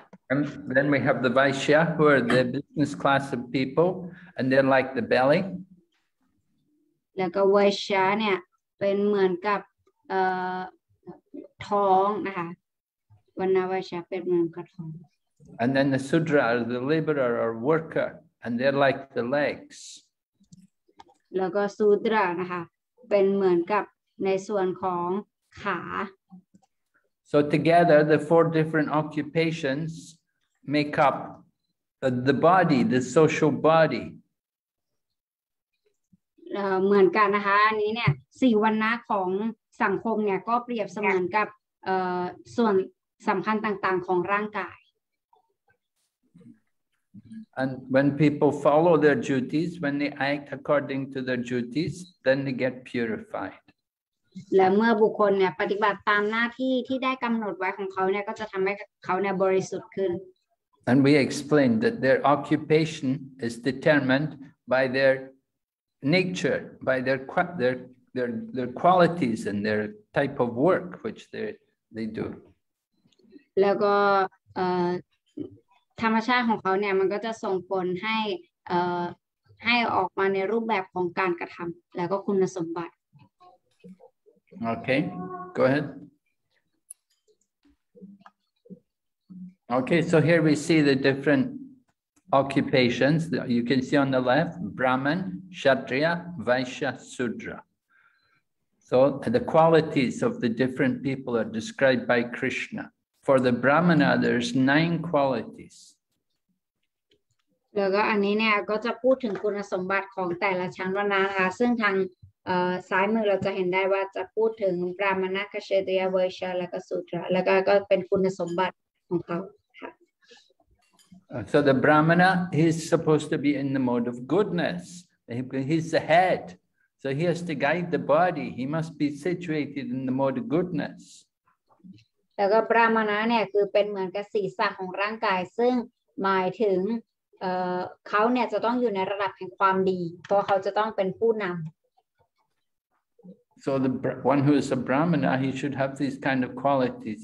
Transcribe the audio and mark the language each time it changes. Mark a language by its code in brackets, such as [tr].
[en] And then we have the Vaishya, who are the business class of people, and they're like the belly. [th] แล้วก็เวชชาเนี่ยเป็นเหมือนกับท้องนะคะวันนาเวชชาเป็นเหมือนกับท้อง [en] and then the sudra are the laborer or worker and they're like the legs [th] แล้วก็สูตรานะคะเป็นเหมือนกับในส่วนของขา [en] so together the four different occupations make up the body the social body [th] เหมือนกันนะคะอันนี้เนี่ยสี่วรรณะของสังคมเนี่ยก็เปรียบเสมือนกับส่วนสำคัญต่างๆของร่างกาย [en] and when people follow their duties when they act according to their duties then they get purified [th] และเมื่อบุคคลเนี่ยปฏิบัติตามหน้าที่ที่ได้กำหนดไว้ของเขาเนี่ยก็จะทำให้เขาเนี่ยบริสุทธิ์ขึ้น [en] and we explained that their occupation is determined by theirNature by their qualities and their type of work which they do. [th] แล้วก็ธรรมชาติของเขาเนี่ยมันก็จะส่งผลให้ออกมาในรูปแบบของการกระทำแล้วก็คุณสมบัติ [en] Okay, go ahead. Okay, so here we see the different. Occupations you can see on the left Brahman, Kshatriya, Vaishya, Sudra. So the qualities of the different people are described by Krishna. for the Brahmana there's 9 qualities. [th] แล้วก็อันนี้เนี่ยก็จะพูดถึงคุณสมบัติของแต่ละชั้นวรรณะนะคะซึ่งทางซ้ายมือเราจะเห็นได้ว่าจะพูดถึงบราหมณะคเชติยเวชแล้วก็สูตรแล้วก็เป็นคุณสมบัติของเขาค่ะ [en] So the Brahmana he's supposed to be in the mode of goodness he's the head so he has to guide the body he must be situated in the mode of goodness [th] แล้วก็บราหมณะเนี่ยคือเป็นเหมือนกับศีรษะของร่างกายซึ่งหมายถึงเขาเนี่ยจะต้องอยู่ในระดับแห่งความดีเพราะเขาจะต้องเป็นผู้นำ [en] So the one who is a Brahmana, he should have these kind of qualities.